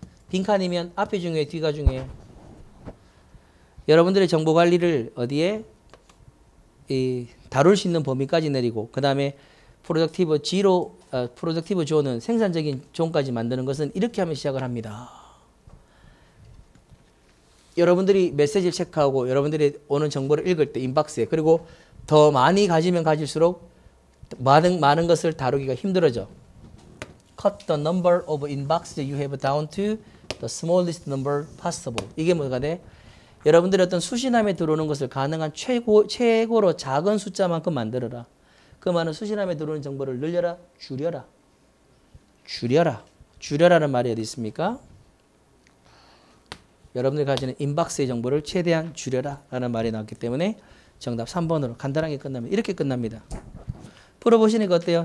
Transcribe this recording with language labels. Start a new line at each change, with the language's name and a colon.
Korean: 빈칸이면 앞이 중요해, 뒤가 중요해. 여러분들의 정보 관리를 어디에 이 다룰 수 있는 범위까지 내리고 그다음에 프로덕티브 G로 프로덕티브 존은 생산적인 존까지 만드는 것은 이렇게 하면 시작을 합니다. 여러분들이 메시지를 체크하고 여러분들이 오는 정보를 읽을 때 인박스에 그리고 더 많이 가지면 가질수록 많은 것을 다루기가 힘들어져.
English: Cut the number of inbox you have down to the smallest number possible.
Korean: 이게 뭐가 돼? 여러분들이 어떤 수신함에 들어오는 것을 가능한 최고로 작은 숫자만큼 만들어라. 그 많은 수신함에 들어오는 정보를 늘려라? 줄여라. 줄여라. 줄여라는 말이 어디 있습니까? 여러분들이 가지는 인박스의 정보를 최대한 줄여라 라는 말이 나왔기 때문에 정답 3번으로 간단하게 끝납니다. 이렇게 끝납니다. 풀어보시는 게 어때요?